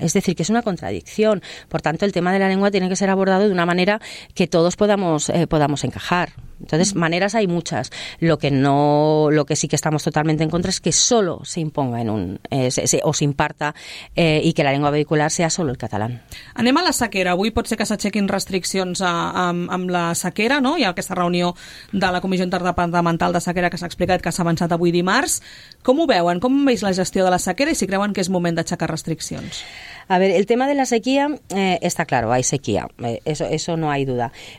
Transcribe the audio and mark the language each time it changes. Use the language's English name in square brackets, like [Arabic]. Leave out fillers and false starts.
[Spanish] Es decir, que es una contradicción. Por tanto, el tema de la lengua tiene que ser abordado de una manera que todos podamos encajar. Entonces, maneras hay muchas. Lo que sí que estamos totalmente en contra es que solo se imponga se imparta y que la lengua vehicular sea solo el catalán. [Catalan] Anem a la sequera. Avui pot ser que s'aixequin restriccions amb la sequera, no? Hi ha aquesta reunió de la Comissió Interdepartamental de Sequera que s'ha explicat que s'ha avançat avui dimarts. Com ho veuen? Com veus la gestió de la sequera i si creuen que és moment d'aixecar restriccions? [Spanish] A ver, el tema de la sequía está claro, hay sequía, eso no hay duda.